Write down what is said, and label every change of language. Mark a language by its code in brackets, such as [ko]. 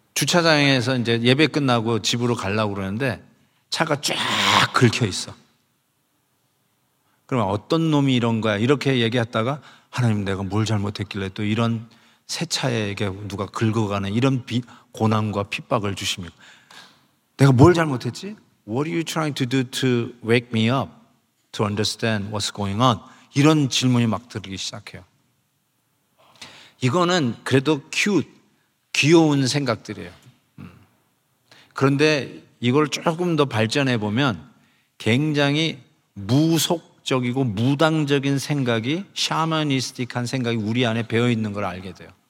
[ko] 주차장에서 이제 예배 끝나고 집으로 가려고 그러는데 차가 쫙 긁혀 있어. 그러면 어떤 놈이 이런 거야? 이렇게 얘기했다가 하나님 내가 뭘 잘못했길래 또 이런 새 차에게 누가 긁어가는 이런 고난과 핍박을 주십니까? 내가 뭘 잘못했지? [en] What are you trying to do to wake me up? To understand what's going on? [ko] 이런 질문이 막 들기 시작해요. 이거는 그래도 cute, 귀여운 생각들이에요. 그런데 이걸 조금 더 발전해 보면 굉장히 무속적이고 무당적인 생각이, 샤머니스틱한 생각이 우리 안에 배어 있는 걸 알게 돼요.